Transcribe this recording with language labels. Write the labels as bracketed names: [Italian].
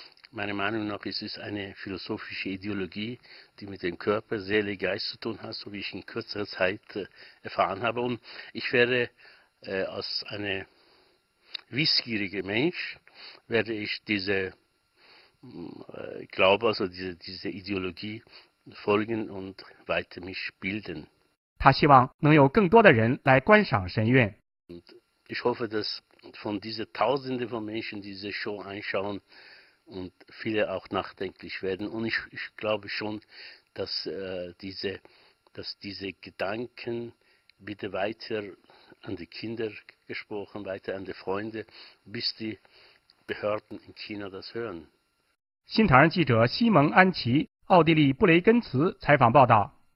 [German] Meiner Meinung nach ist es eine philosophische Ideologie, die mit dem Körper, Seele, Geist zu tun hat, so wie ich in kürzerer Zeit erfahren habe. Und ich werde als ein wissgieriger Mensch, werde ich diese Glaube, also diese Ideologie folgen und weiter mich bilden. [Chinese] 他希望能有更多的人来观赏神韵。 [German] Ich hoffe, dass von diesen Tausenden von Menschen diese Show anschauen, und viele auch nachdenklich werden. Und ich glaube schon, dass diese Gedanken bitte weiter an die Kinder gesprochen, weiter an die Freunde, bis die Behörden in China das hören. [Chinese] 新唐人记者西蒙安琪，奥地利布雷根茨采访报道。